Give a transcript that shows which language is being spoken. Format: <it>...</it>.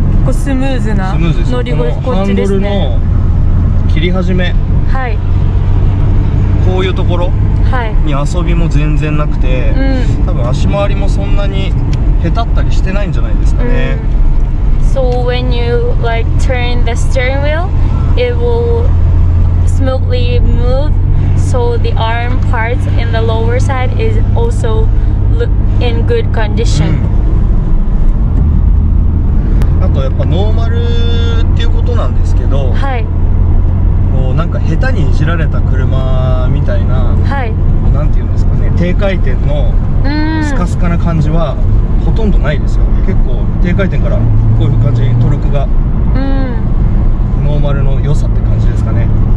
<ja>スムーズな乗り心地ですね。ハンドルの切り始め、はい、こういうところに遊びも全然なくて、はい、多分足回りもそんなに下手ったりしてないんじゃないですかね。</ja> <en>So when you like turn the steering wheel, it will smoothly move. So the arm parts in the lower side is also in good condition.</en> <ja>あとやっぱノーマルっていうことなんですけど、はい、こうなんか下手にいじられた車みたいな、はい、なんていうんですかね、低回転のスカスカな感じはほとんどないですよ。結構低回転からこういう感じにトルクが、ノーマルの良さって感じですかね。</ja>